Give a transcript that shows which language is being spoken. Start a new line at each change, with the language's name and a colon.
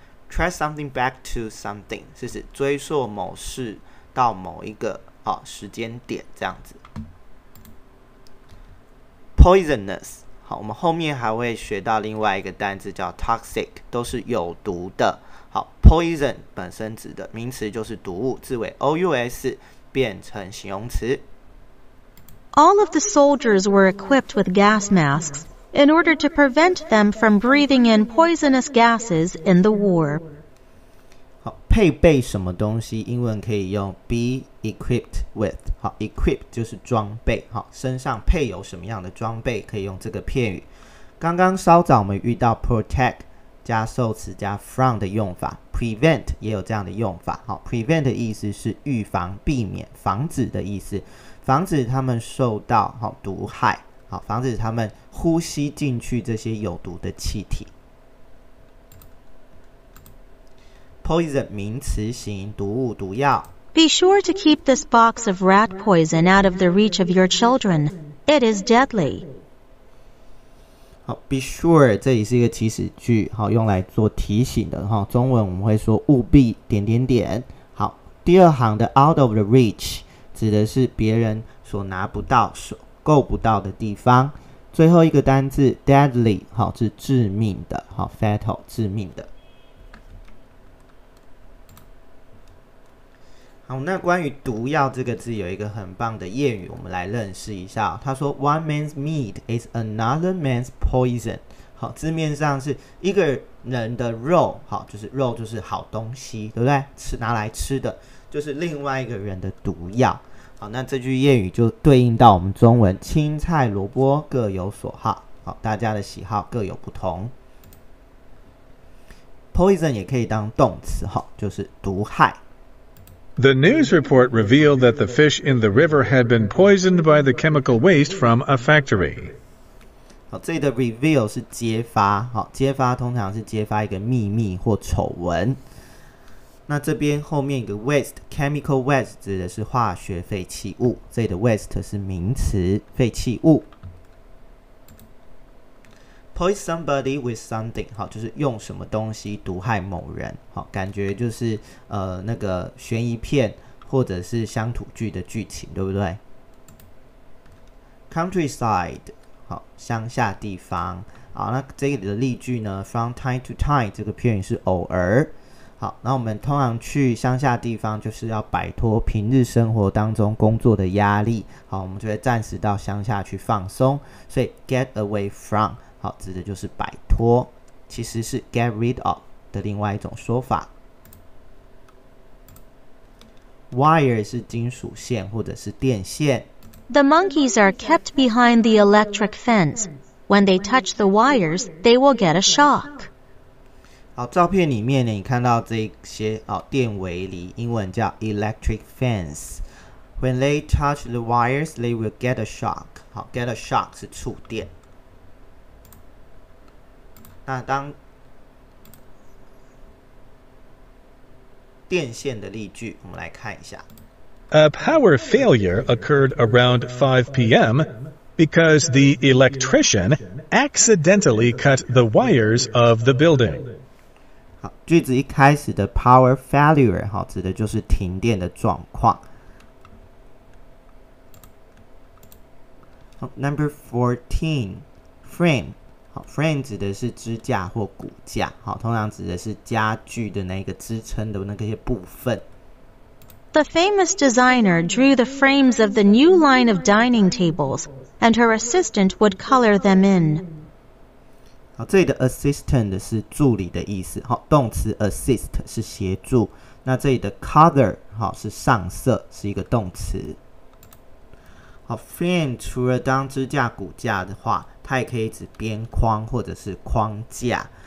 English: Trace something back to something
Chinese: 是指追溯某事到某一个时间点这样子。 Poisonous 好，我们后面还会学到另外一个单字叫 toxic， 都是有毒的。好 ，poison 本身指的名词就是毒物，字尾 ous，变成形容词。
English: All of the soldiers were equipped with gas masks in order to prevent them from breathing in poisonous gases in the war.
Chinese: 好，配备什么东西？英文可以用 be equipped with。好 ，equipped 就是装备。好，身上配有什么样的装备？可以用这个片语。刚刚稍早我们遇到 protect 加受词加 from 的用法 ，prevent 也有这样的用法。好 ，prevent 的意思是预防、避免、防止的意思。防止他们受到好毒害，好防止他们呼吸进去这些有毒的气体。 Poison 名词型毒物毒药。
English: Be sure to keep this box of rat poison out of the reach of your children. It is deadly.
Chinese: 好 ，be sure 这里是一个祈使句，好用来做提醒的哈。中文我们会说务必点点点。好，第二行的 out of the reach。指的是别人所拿不到、所够不到的地方。最后一个单字 deadly， 好是致命的，好 fatal， 致命的。好，那关于毒药这个字，有一个很棒的谚语，我们来认识一下。他说 ，
English: One man's meat is another man's poison。
Chinese: 好，字面上是一个人的肉，好就是肉就是好东西，对不对？吃拿来吃的。就是另外一个人的毒药。好，那这句谚语就对应到我们中文青菜萝卜各有所好。好，大家的喜好各有不同。 Poison 也可以当动词，好，就是毒害。
English: The news report revealed that the fish in the river had been poisoned by the chemical waste from a factory.
Chinese: 好，这里的 reveal 是揭发，好，揭发通常是揭发一个秘密或丑闻。那这边后面一个 waste， chemical waste 指的是化学废弃物，这里的 waste 是名词，废弃物。 Poison somebody with something， 好，就是用什么东西毒害某人，好，感觉就是那个悬疑片或者是乡土剧的剧情，对不对 ？Countryside， 好，乡下地方。好，那这里的例句呢 ？From time to time， 这个片语是偶尔。好，那我们通常去乡下地方就是要摆脱平日生活当中工作的压力，好，我们就会暂时到乡下去放松，所以 get away from， 好，指的就是摆脱，其实是 get rid of 的另外一种说法。 Wire 是金属线或者是电线。
English: The monkeys are kept behind the electric fence. When they touch the wires, they will get a shock.
Chinese: 好，照片里面呢，你看到这些哦，电围篱，英文叫 electric fence。
English: When they touch the wires, they will get a shock。
Chinese: 好 ，get a shock 是触电。那当电线的例句，我们来看一下。
English: A power failure occurred around 5 p.m. because the electrician accidentally cut the wires of the building.
Chinese: 好，句子一开始的 power failure 好，指的就是停电的状况。 Number 14 frame 好 ，frame 指的是支架或骨架，好，通常指的是家具的那个支撑的那个些部分。
English: The famous designer drew the frames of the new line of dining tables, and her assistant would color them in.
Chinese: 好，这里的 assistant 是助理的意思。好，动词 assist 是协助。那这里的 color 好是上色，是一个动词。好 ，frame 除了当支架骨架的话，它也可以指边框或者是框架。